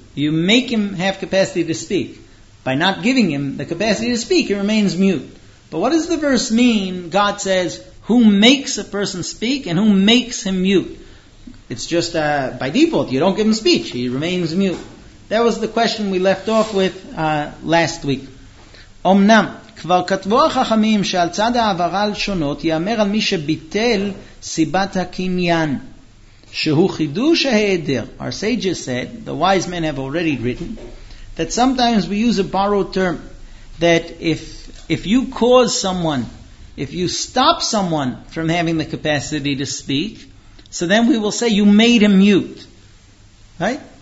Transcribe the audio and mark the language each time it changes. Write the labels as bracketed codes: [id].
[en] You make him have capacity to speak. By not giving him the capacity to speak, he remains mute. But what does the verse mean? God says, who makes a person speak and who makes him mute? It's just by default, you don't give him speech, he remains mute. That was the question we left off with last week. [he] אמנם, כבר כתבו החכמים שעל צד העברה לשונות יאמר על מי שביטל סיבת הקניין, שהוא חידוש ההיעדר. [en] Our sages said, the wise men have already written, that sometimes we use a borrowed term, that if you cause someone, if you stop someone from having the capacity to speak, so then we will say you made him mute. Right?